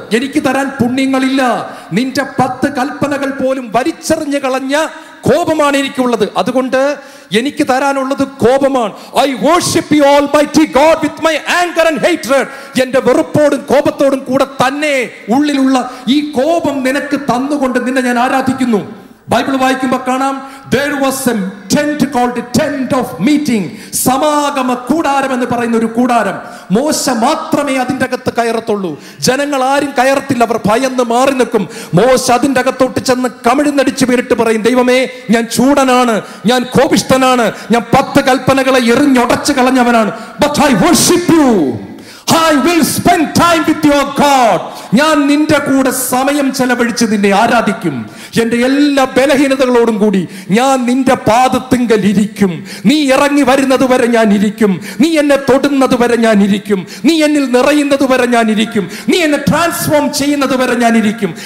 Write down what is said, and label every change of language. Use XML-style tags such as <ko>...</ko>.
<ml>എനിക്ക് തരാൻ പുണ്യങ്ങളില്ല. നിന്റെ 10 കൽപ്പനകൾ പോലും വലിച്ചെറിഞ്ഞു കളഞ്ഞ കോപമാണ് എനിക്കുള്ളത്. അതുകൊണ്ട് എനിക്ക് തരാനുള്ളത് കോപമാണ്.</ml> <en>I worship you almighty God with my anger and hatred.</en> <ml>എന്റെ വെറുപ്പോടും കോപത്തോടും കൂടെ തന്നെ ഉള്ളിലുള്ള ഈ കോപം നിനക്ക് തന്നുകൊണ്ട് നിന്നെ ഞാൻ ആരാധിക്കുന്നു. ബൈബിൾ വായിക്കുമ്പോ കാണാം,</ml> <en>There was a tent called tent of meeting.</en> <ml>സമാഗമ കൂടാരം എന്ന് പറയുന്ന ഒരു കൂടാരം. മോശ മാത്രമേ അതിൻ്റെ അകത്ത് കയറത്തുള്ളൂ. ജനങ്ങൾ ആരും കയറത്തില്ല. അവർ ഭയന്ന് മാറി നിൽക്കും. മോശ അതിൻ്റെ അകത്തോട്ട് ചെന്ന് കമിഴ്ന്നടിച്ച് വീണിട്ട് പറയും, ദൈവമേ, ഞാൻ ചൂടനാണ്, ഞാൻ കോപിഷ്ടനാണ്, ഞാൻ 10 കൽപ്പനകളെ എറിഞ്ഞൊടച്ചു കളഞ്ഞവനാണ്.</ml> <en>But I worship you. I will spend time with your God.</en> <ml>ഞാൻ നിന്റെ കൂടെ സമയം ചെലവഴിച്ച് നിന്നെ ആരാധിക്കും. എന്റെ എല്ലാ ബലഹീനതകളോടും കൂടി ഞാൻ നിന്റെ പാദത്തിങ്കൽ ഇരിക്കും. നീ ഇറങ്ങി വരുന്നത് വരെ ഞാൻ ഇരിക്കും. നീ എന്നെ തൊടുന്നത് വരെ ഞാൻ ഇരിക്കും. നീ എന്നിൽ നിറയുന്നത് വരെ ഞാൻ ഇരിക്കും. നീ എന്നെ ട്രാൻസ്ഫോം ചെയ്യുന്നത് വരെ ഞാൻ ഇരിക്കും.</ml>